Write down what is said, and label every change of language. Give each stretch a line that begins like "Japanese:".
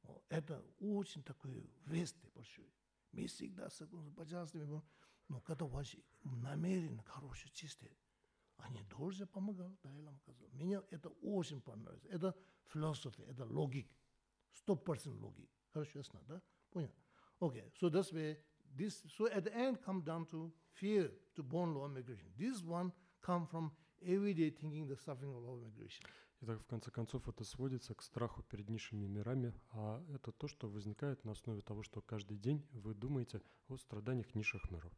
Russian: Это очень такой вести большой. Мы всегда согласны, пожалуйста, мы говорим, но когда ваши намерения хорошие, чистые, они должны помогать, Далай Лама сказал. Мне это очень понравилось. Это философия, это логика. 100% логика. Хорошо, ясно, да? Понял? Окей,
English: so that's where This so at the end come down to fear, to born law of migration. This one come from everyday thinking the suffering of law of migration.
Russian: Итак, в конце концов, это сводится к страху перед низшими мирами, а это то, что возникает на основе того, что каждый день вы думаете о страданиях низших миров.